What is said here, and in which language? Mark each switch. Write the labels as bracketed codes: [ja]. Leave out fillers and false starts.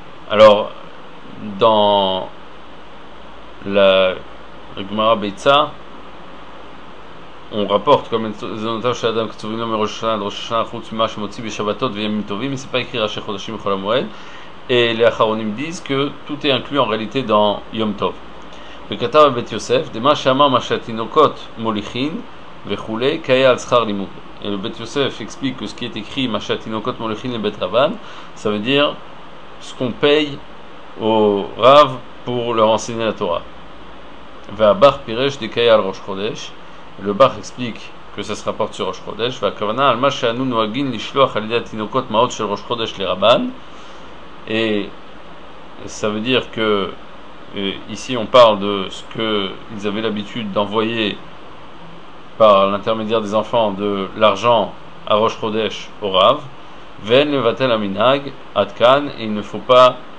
[fr] Alors, dans la Gemara Beitza, on rapporte comme Zonotav Shadam Ketsuvino Meroshana, Droshana, Chutz, Mimash, Motsi, Bishabatot, Vyamitovi, mais c'est pas écrit Rashi Chodashim, Cholamoued, et les Acharonim disent que tout est inclus en réalité dans Yom Tov. [he] וכתב בבית יוסף, דמה שאמר מה שהתינוקות מוליכין וכו', כאי על שכר לימוד. [fr] Et le בית יוסף explique que ce qui est écrit, [he] מה שהתינוקות מוליכין לבית רבן, [fr] ça veut dire ce qu'on paye au רב pour leur enseigner la Torah. [he] והבח פירש דקאי על ראש חודש. [fr] Le בח explique que ça se rapporte sur ראש חודש. [he] והכוונה על מה שאנו נוהגים לשלוח על ידי התינוקות מעות של ראש חודש לרבן. [fr] Et ça veut dire que ici on parle de ce qu'ils avaient l'habitude d'envoyer par l'intermédiaire des enfants, de l'argent à Rosh Chodesh au Rav. [he] Ven levatel aminag adkan, [fr] et il ne faut pas